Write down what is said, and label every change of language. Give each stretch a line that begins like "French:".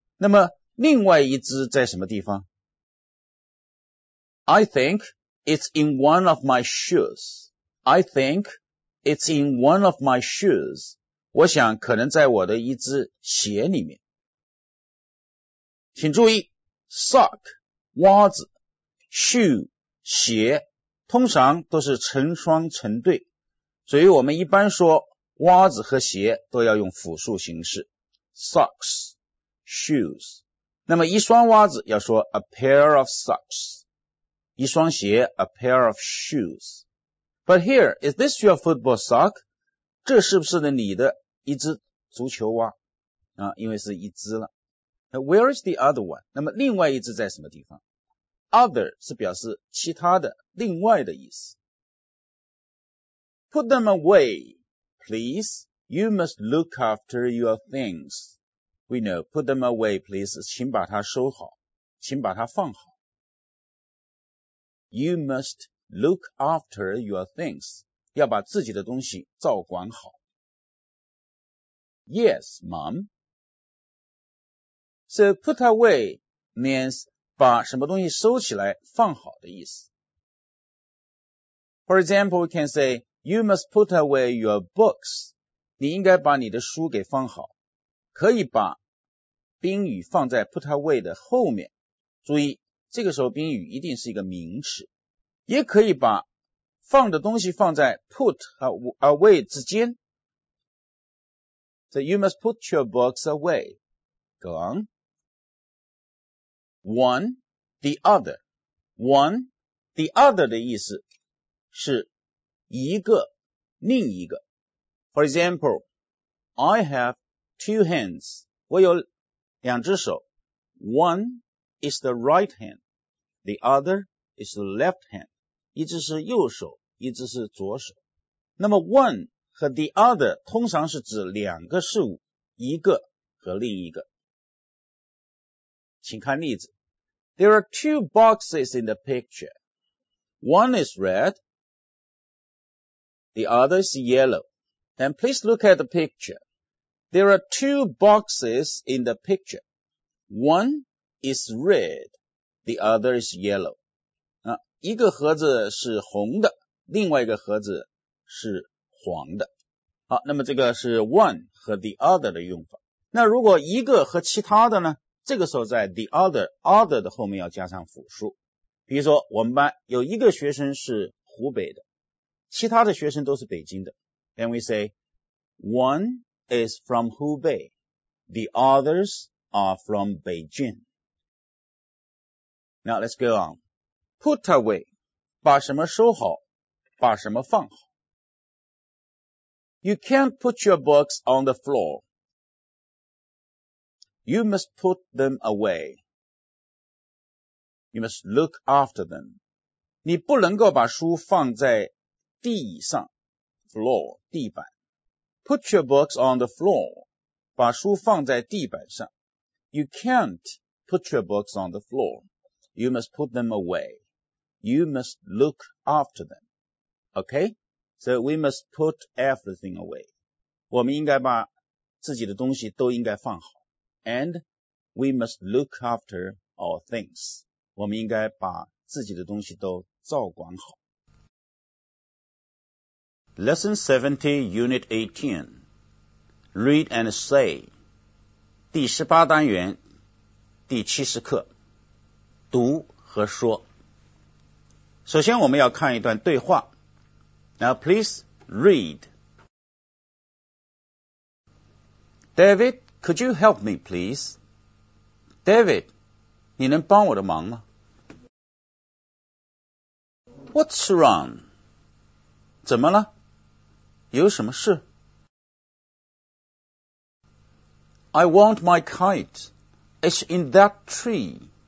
Chinese: 那么另外一只在什么地方?
English: I think it's in one of my shoes. I think it's in one of my shoes.
Chinese: 我想可能在我的一只鞋里面。请注意 ,sock, 袜子 ,shoe, 鞋通常都是成双成对。所以我们一般说袜子和鞋都要用复数形式 ,socks, shoes. 那么一双袜子要说
English: a pair of socks,
Chinese: 一双鞋
English: a pair of shoes. But here, is this your football sock?
Chinese: 这是不是你的一只足球袜啊，因为是一只了。
English: Where is the other one?
Chinese: 那么另外一只在什么地方？ Other 是表示其他的、另外的意思。
English: Put them away, please. You must look after your things. We know, put them away, please.
Chinese: 请把它收好，请把它放好。
English: You must look after your things.
Chinese: 要把自己的东西照管好。
English: Yes, Mom. So put away means
Chinese: 把什么东西收起来、放好的意思。
English: For example, we can say, you must put away your books.
Chinese: 你应该把你的书给放好。可以把宾语放在 put away 的后面。注意，这个时候宾语一定是一个名词。也可以把放的东西放在 put away 之间。
English: So you must put your books away. Go on. One, the other. One, the other
Chinese: 的意思是一个、另一个。
English: For example, I have two hands.
Chinese: 我有两只手。
English: One is the right hand. The other is the left hand.
Chinese: 一只是右手，一只是左手。那么 one 和 the other 通常是指两个事物，一个和另一个。请看例子。
English: There are two boxes in the picture. One is red. The other is yellow. And please look at the picture. There are two boxes in the picture. One is red. The other is yellow.
Chinese: 一个盒子是红的，另外一个盒子是黄的。好，那么这个是 one 和 the other 的用法。那如果一个和其他的呢？这个时候在 the other, other 的后面要加上复数。比如说我们班有一个学生是湖北的。其他的学生都是北京的。
English: Then we say, one is from Hubei. The others are from Beijing. Now let's go on. Put away.
Chinese: 把什么收好，把什么放好。
English: You can't put your books on the floor. You must put them away. You must look after them.
Chinese: 你不能够把书放在地上 floor, 地板
English: put your books on the floor,
Chinese: 把书放在地板上
English: you can't put your books on the floor, you must put them away, you must look after them, okay? So we must put everything away,
Chinese: 我们应该把自己的东西都应该放好
English: and we must look after our things,
Chinese: 我们应该把自己的东西都照管好
English: Lesson 70, Unit 18. Read and say.
Chinese: 第十八单元第七十课，读和说。首先我们要看一段对话。
English: Now please read. David, could you help me please?
Chinese: David, 你能帮我的忙吗？
English: What's wrong?
Chinese: 怎么了？有什么事？
English: I want my kite. It's in that tree.